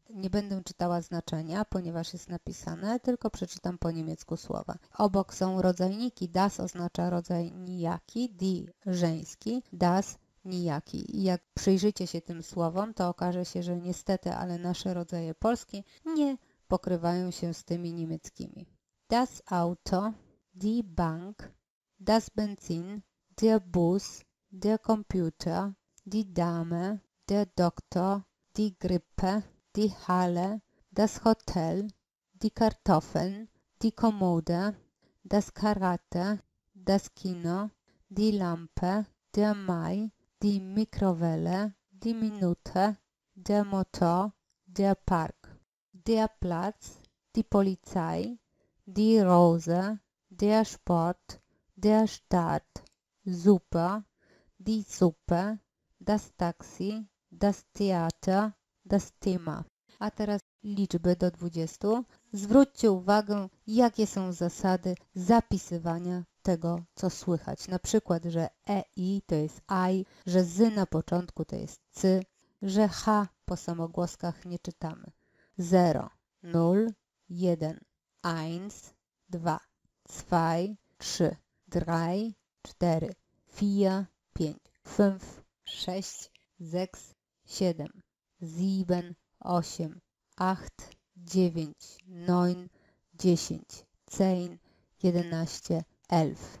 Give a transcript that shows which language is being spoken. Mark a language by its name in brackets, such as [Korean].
[Polish] Nie będę czytała znaczenia, ponieważ jest napisane, tylko przeczytam po niemiecku słowa. Obok są rodzajniki. Das oznacza rodzaj nijaki, die żeński, das nijaki. I jak przyjrzycie się tym słowom, to okaże się, że niestety, ale nasze rodzaje polskie nie pokrywają się z tymi niemieckimi. [German] Das Auto, die Bank, das Benzin, der Bus, der Computer, die Dame, der Doktor, die Grippe, die Halle, das Hotel, die Kartoffeln, die Kommode, das Karate, das Kino, die Lampe, der Mai, die Mikrowelle, die Minute, der Motor, der Park, der Platz, die Polizei, die Rose, der Sport, der Staat, super, die Suppe, das Taxi, das Theater, das Thema. [Polish] A teraz liczby do 20. Zwróćcie uwagę, jakie są zasady zapisywania tego, co słychać. Na przykład, że EI to jest I, że Z na początku to jest C, że H po samogłoskach nie czytamy. [German] 0, 0, 1. Eins, dwa, zwei, trzy, drei, cztery, vier, pięć, fünf, sześć, sechs, siedem, sieben, osiem, acht, dziewięć, neun, dziesięć, zehn, jedenaście, elf.